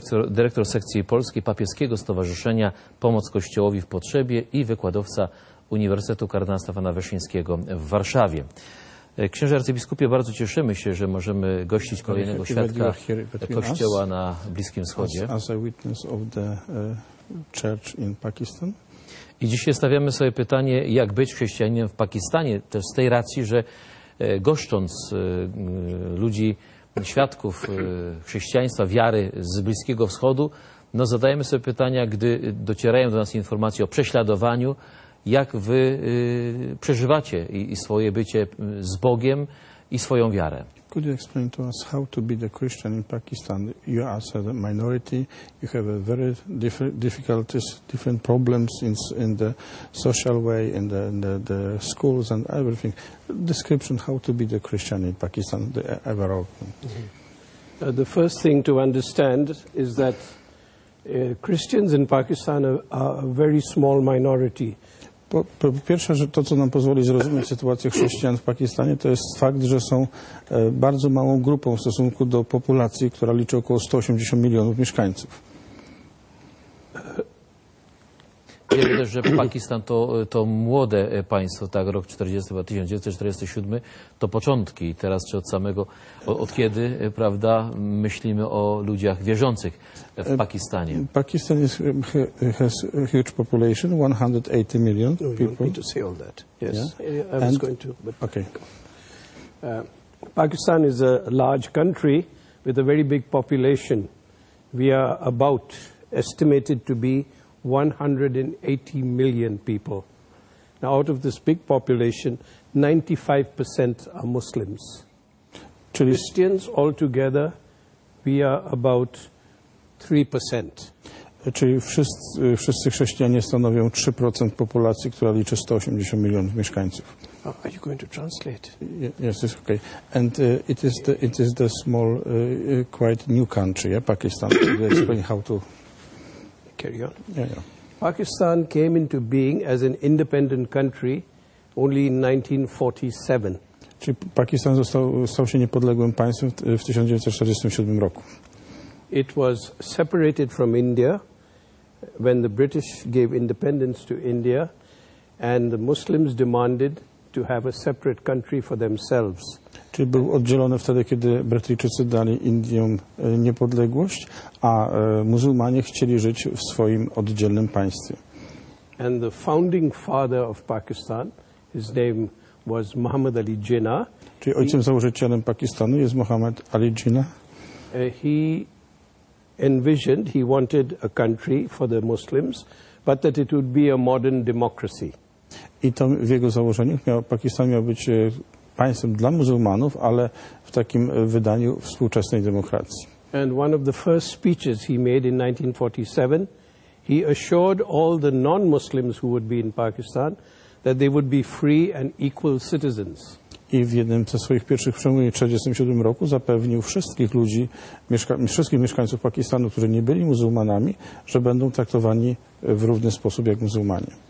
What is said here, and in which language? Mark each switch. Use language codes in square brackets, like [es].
[pl] Dyrektor sekcji polskiej Papieskiego Stowarzyszenia Pomoc Kościołowi w Potrzebie i wykładowca Uniwersytetu Kardynała Stefana Wyszyńskiego w Warszawie. Księże arcybiskupie, bardzo cieszymy się, że możemy gościć kolejnego świadka Kościoła na Bliskim Wschodzie. [en] As a witness of the church in Pakistan. [pl] I dzisiaj stawiamy sobie pytanie, jak być chrześcijaninem w Pakistanie, też z tej racji, że goszcząc ludzi, świadków chrześcijaństwa, wiary z Bliskiego Wschodu, no zadajemy sobie pytania, gdy docierają do nas informacje o prześladowaniu, jak wy przeżywacie i swoje bycie z Bogiem i swoją wiarę. [en] Could you explain to us how to be the Christian in Pakistan? You are a minority. You have a very difficulties, different problems in the social way, in the schools and everything. Description how to be the Christian in Pakistan, the overall. Mm-hmm. The first thing to understand is that Christians in Pakistan are a very small minority. [pl] Pierwsze, że to, co nam pozwoli zrozumieć sytuację chrześcijan w Pakistanie, to jest fakt, że są bardzo małą grupą w stosunku do populacji, która liczy około 180 milionów mieszkańców. Wiemy też, że Pakistan to młode państwo, tak, rok 1947, to początki. Teraz czy od kiedy, prawda, myślimy o ludziach wierzących w Pakistanie? [en] Pakistan has a huge population, 180 million people. No, you want me to say all that? Yes, yeah? I was going to. Pakistan is a large country with a very big population. We are about estimated to be 180 million people. Now, out of this big population, 95% are Muslims. Christians altogether, we are about 3%. [pl] Czyli wszyscy chrześcijanie stanowią 3% populacji, która liczy 180 milionów mieszkańców. [en] Oh, are you going to translate? Yes, it's okay. And it is the small, quite new country, yeah, Pakistan. Can you explain how to carry on? Yeah, yeah. Pakistan came into being as an independent country only in 1947. [pl] Czyli Pakistan stał się niepodległym państwem w 1947 roku. [en] It was separated from India when the British gave independence to India and the Muslims demanded to have a separate country for themselves. [pl] Czyli był oddzielony wtedy, kiedy Brytyjczycy dali Indiom niepodległość, a muzułmanie chcieli żyć w swoim oddzielnym państwie. [en] And the founding father of Pakistan, his name was Muhammad Ali Jinnah. [pl] Czyli ojcem założycielem Pakistanu jest Muhammad Ali Jinnah. [en] He envisioned, he wanted a country for the Muslims, but that it would be a modern democracy. [pl] I to w jego założeniach Pakistan miał być państwem dla muzułmanów, ale w takim wydaniu współczesnej demokracji. [en] And one of the first speeches he made in 1947, he assured all the non-Muslims who would be in Pakistan that they would be free and equal citizens. [pl] I w jednym ze swoich pierwszych przemówień w 1947 roku zapewnił wszystkich ludzi, wszystkich mieszkańców Pakistanu, którzy nie byli muzułmanami, że będą traktowani w równy sposób jak muzułmanie.